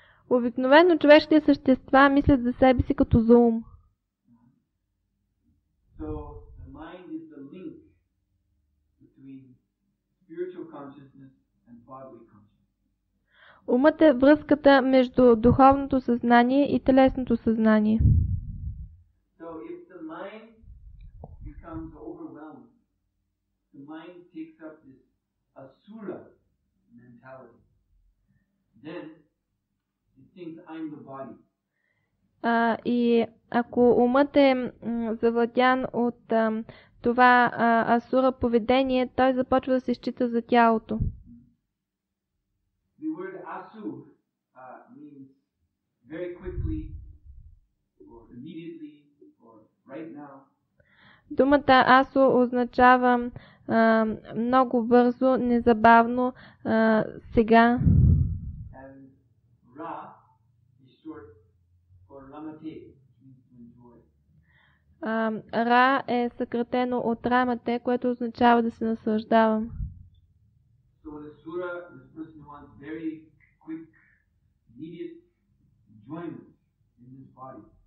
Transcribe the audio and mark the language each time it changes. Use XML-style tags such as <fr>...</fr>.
<bg>Обикновено човешките същества мислят за себе си като за ум.</bg> <en>So the mind is the link between spiritual consciousness and bodily.</en> <bg>Умът е връзката между духовното съзнание и телесното съзнание.</bg> <en>So if the mind becomes overwhelmed, the mind takes up this asura mentality. Then it thinks I'm the body.</en> <bg>И ако умът е завладян от това асура поведение, той започва да се счита за тялото.</bg> <en>The word asu means very quickly or immediately or right now.</en> <bg>Думата асу означава много бързо, незабавно, сега.</bg> <en>And ra is short for ramate, means joy.</en> <bg>Ра е съкратено от рамате, което означава да се наслаждавам.</bg> <en>So the sura is very quick, immediate enjoyment in this body.</en>